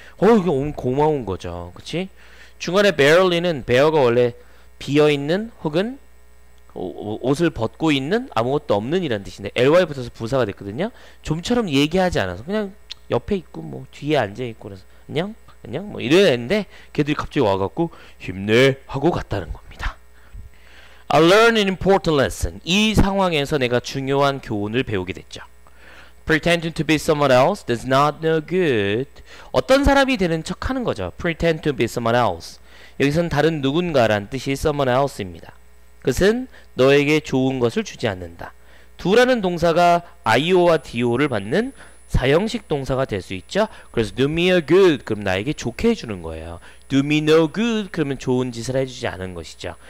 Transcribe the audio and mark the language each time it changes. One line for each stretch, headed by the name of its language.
Korean: 이게 고마운 거죠. 그치? 중간에 barely는 bear가 원래 비어있는 혹은 옷을 벗고 있는 아무것도 없는 이란 뜻인데 ly 붙어서 부사가 됐거든요. 좀처럼 얘기하지 않아서 그냥 옆에 있고 뭐 뒤에 앉아있고 그래서 안녕? 안녕 뭐 이런 애인데 걔들이 갑자기 와갖고 힘내 하고 갔다는 겁니다.
English: I learned an important lesson.
Korean: 이 상황에서 내가 중요한 교훈을 배우게 됐죠.
English: Pretending to be someone else does not no good.
Korean: 어떤 사람이 되는 척 하는 거죠.
English: Pretend to be someone else.
Korean: 여기서는 다른 누군가란 뜻이
English: someone else입니다.
Korean: 그것은 너에게 좋은 것을 주지 않는다. do라는 동사가 io와 do를 받는 사형식 동사가 될 수 있죠. 그래서 do me a good 그럼 나에게 좋게 해주는 거예요. do me no good 그러면 좋은 짓을 해주지 않은 것이죠.